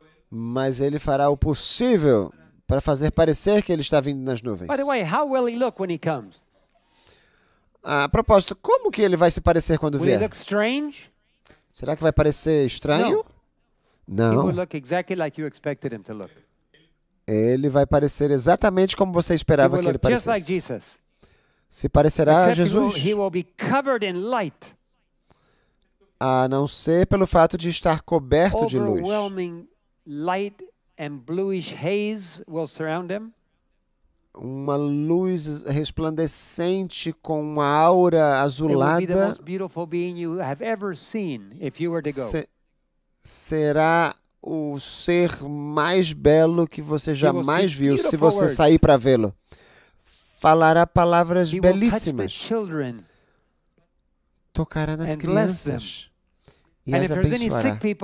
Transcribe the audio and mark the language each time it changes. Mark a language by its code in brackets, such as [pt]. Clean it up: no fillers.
[pt] Mas ele fará o possível para fazer parecer que ele está vindo nas nuvens. [en] By the way, how will he look when he comes? [pt] A propósito, como que ele vai se parecer quando vier? [en] Will he look strange? [pt] Será que vai parecer estranho? Não. [en] He will look exactly like you expected him to look. [pt] Ele vai parecer exatamente como você esperava que ele parecesse. [en] Just like Jesus. [pt] Se parecerá a Jesus. [en] He will be covered in light. [pt] A não ser pelo fato de estar coberto de luz. [en] Overwhelming light and bluish haze will surround him. [pt] Uma luz resplandecente com uma aura azulada. [en] It will be the most beautiful being you have ever seen if you were to go. [pt] Será o ser mais belo que você jamais viu se você sair para vê-lo. Falará palavras belíssimas. Tocará nas crianças e as abençoará.